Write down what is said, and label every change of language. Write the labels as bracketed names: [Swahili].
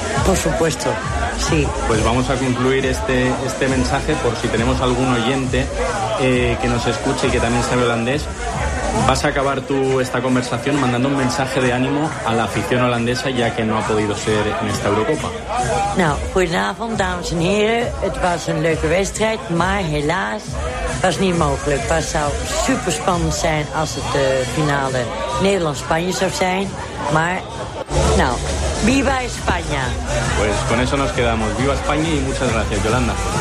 [Spanish] Por supuesto, sí. Pues vamos a concluir este mensaje por si tenemos algún oyente que nos escuche y que también sabe holandés. Vas a acabar tú esta conversación mandando un mensaje de ánimo a la afición holandesa, ya que no ha podido ser en esta Eurocopa. [Dutch] Nou, goedenavond, dames en heren. Het was een leuke wedstrijd, maar helaas was niet mogelijk. Het zou super spannend zijn als het de finale Nederland-Spanje zou zijn. Maar, nou, [Spanish] viva España! Pues con eso nos quedamos. Viva España y muchas gracias, Yolanda.